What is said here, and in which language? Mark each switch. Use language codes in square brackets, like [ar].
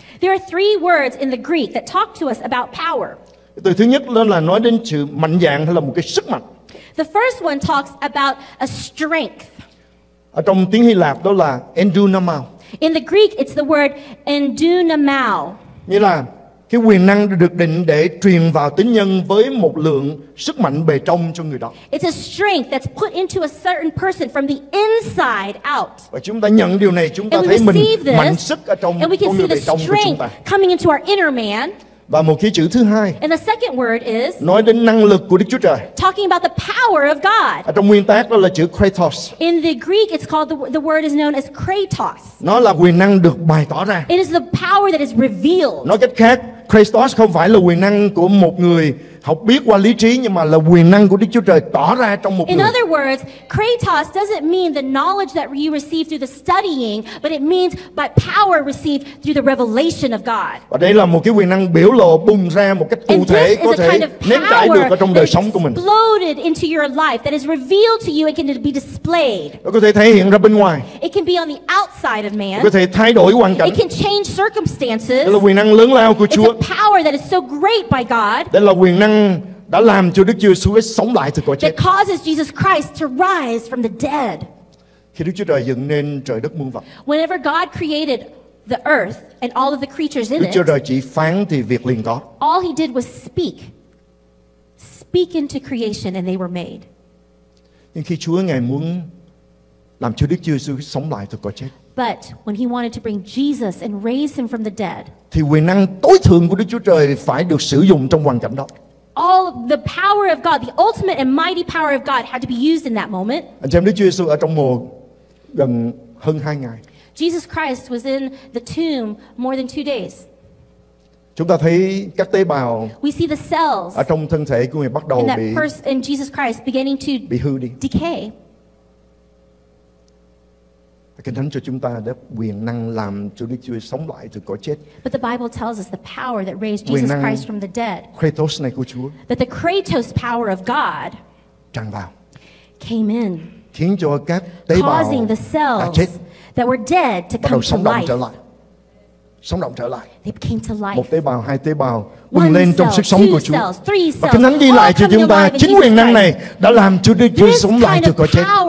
[en] There are three words in the Greek that talk to us about power. [vi] Từ thứ nhất lên là nói đến sự mạnh dạn hay là một cái sức mạnh. [en] The first one talks about a strength. [vi] Ở trong tiếng Hy Lạp đó là endunamau. [en] In the Greek it's the word endunamau. [vi] Nghĩa là Cái quyền năng được định để truyền vào tín nhân với một lượng sức mạnh bề trong cho người đó. [en] It's a strength that's put into a certain person from the inside out. [vi] Và chúng ta nhận điều này, chúng ta thấy mình mạnh sức ở trong con người bề trong của chúng ta. [en] Coming into our inner man. [vi] Và một cái chữ thứ hai. [en] And the second word is [vi] nói đến năng lực của Đức Chúa Trời. [en] Talking about the power of God. [vi] Ở trong nguyên tác đó là chữ kratos. [en] In the Greek it's called the word is known as kratos. [vi] Nó là quyền năng được bày tỏ ra. [en] It is the power that is revealed. [vi] Nói cách khác, kratos không phải là quyền năng của một người học biết qua lý trí, nhưng mà là quyền năng của Đức Chúa Trời tỏ ra trong một người. [en] In other words, kratos doesn't mean the knowledge that you receive through the studying, but it means by power received through the revelation of God. [vi] Và đây là một cái quyền năng biểu lộ bùng ra một cách cụ thể, có thể nếm trải được ở trong đời sống của mình. [en] Exploded into your life that is revealed to you and can be displayed. [vi] Nó có thể thể hiện ra bên ngoài. [en] It can be on the outside of man. [vi] Có thể thay đổi hoàn cảnh. [en] It can change circumstances. [vi] Đó là quyền năng lớn lao của Chúa. [en] It's a power that is so great by God. [vi] Đó là quyền năng đã làm cho Đức Chúa Jesus sống lại từ cõi chết. [en] That causes Jesus Christ to rise from the dead. [vi] Khi Đức Chúa Trời dựng nên trời đất muôn vật. [en] Whenever God created the earth and all of the creatures in it. [vi] Đức Chúa Trời chỉ phán thì việc liền có. [en] All he did was speak into creation and they were made. [vi] Nhưng khi Chúa ngài muốn làm cho Đức Chúa Jesus sống lại từ cõi chết. [en] But when he wanted to bring Jesus and raise him from the dead. [vi] Thì quyền năng tối thượng của Đức Chúa Trời phải được sử dụng trong hoàn cảnh đó. [en] All the power of God, the ultimate and mighty power of God had to be used in that moment. [vi] Anh chị em, Đức Chúa Giêsu ở trong mộ gần hơn 2 ngày. [en] Jesus Christ was in the tomb more than 2 days. [vi] Chúng ta thấy các tế bào [en] we see the cells [vi] ở trong thân thể của người bắt đầu [en] in Jesus Christ beginning to [vi] bị hư đi. [en] Decay. [vi] Kinh Thánh cho chúng ta đã quyền năng làm cho Đức Chúa sống lại từ cõi chết. [en] But the Bible tells us the power that raised Jesus Christ from the dead. [vi] Kratos này của Chúa. [en] That the Kratos power of God [vi] tràn vào. [en] Came in. [vi] Khiến cho các tế bào [en] causing the cells [vi] chết, [en] that were dead to come to life. [vi] Sống động trở lại. Sống động trở lại. [en] They came to life. [vi] Một tế bào, hai tế bào bùng lên trong sức sống của Chúa. [en] Cells, [vi] và Kinh Thánh ghi lại cho chúng ta chính quyền năng này đã làm cho Đức Chúa sống lại từ cõi chết.